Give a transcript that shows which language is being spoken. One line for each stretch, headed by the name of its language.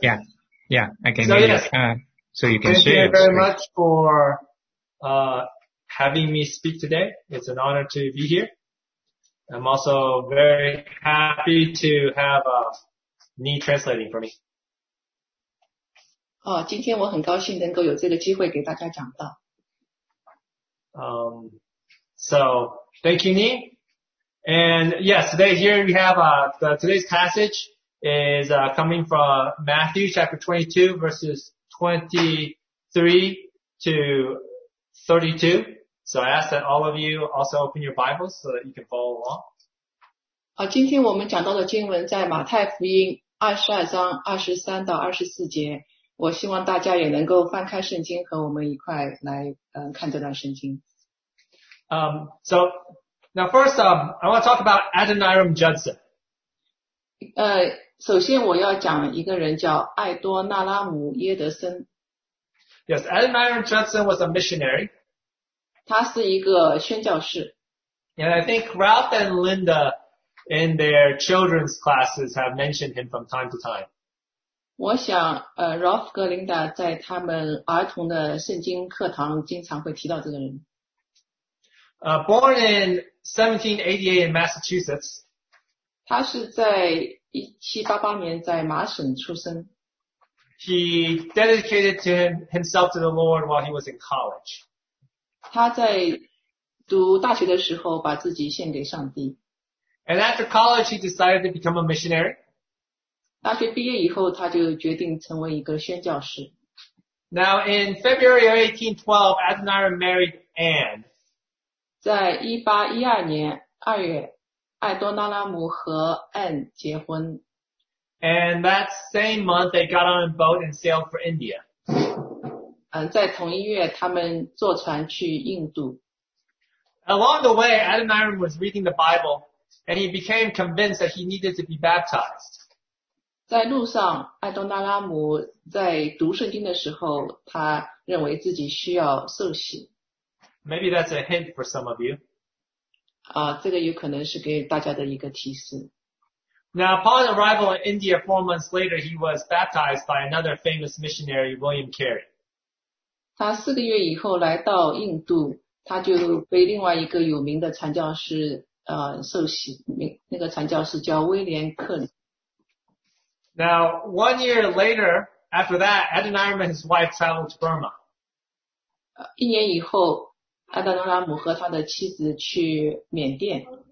English: Yeah, I can hear you. So you can share. Thank you very much for having me speak today. It's an honor to be here. I'm also very happy to have Nini translating for me.
Chinese: 今天我很高兴能够有这个机会给大家讲到。
English: So thank you, Nini. And yes, today here we have today's passage. Is coming from Matthew chapter 22 verses 23 to 32. So I ask that all of you also open your Bibles so that you can follow along.
Chinese: 今天我们讲到的经文在马太福音22章23到24节，我希望大家也能够翻开圣经和我们一块来看这段圣经。
English: So, now first, I want to talk about Adoniram Judson.
Chinese: 首先我要讲一个人叫艾多纳拉姆耶德森。
English: Yes, Adoniram Judson was a missionary.
Chinese: 他是一个宣教士。
English: And I think Ralph and Linda in their children's classes have mentioned him from time to time.
Chinese: 我想Ralph 和 Linda 在他们儿童的圣经课堂经常会提到这个人。
English: Born in 1788 in Massachusetts.
Chinese: 他是在1788年在麻省出生。
English: He dedicated himself to the Lord while he was in college.
Chinese: 他在读大学的时候把自己献给上帝。
English: And after college, he decided to become a missionary.
Chinese: 大学毕业以后他就决定成为一个宣教士。
English: Now, in February of 1812, Adoniram married Anne.
Chinese: 在1812年2月艾多纳拉姆和 Anne 结婚。
English: And that same month, they got on a boat and sailed for India.
Chinese: 在同一月他们坐船去印度。
English: Along the way, Adoniram was reading the Bible. And he became convinced that he needed to be baptized.
Chinese: 在路上，艾多纳拉姆在读圣经的时候，他认为自己需要受洗。
English: Maybe that's a hint for some of you.
Chinese: 这个有可能是给大家的一个提示。
English: Now, upon arrival in India 4 months later, he was baptized by another famous missionary, William Carey.
Chinese: 他四个月以后来到印度，他就被另外一个有名的传教士受洗，那个传教士叫威廉克里。
English: Now, 1 year later, after that, Adoniram and his wife traveled to Burma.
Chinese: 一年以后，艾多纳拉姆和他的妻子去缅甸。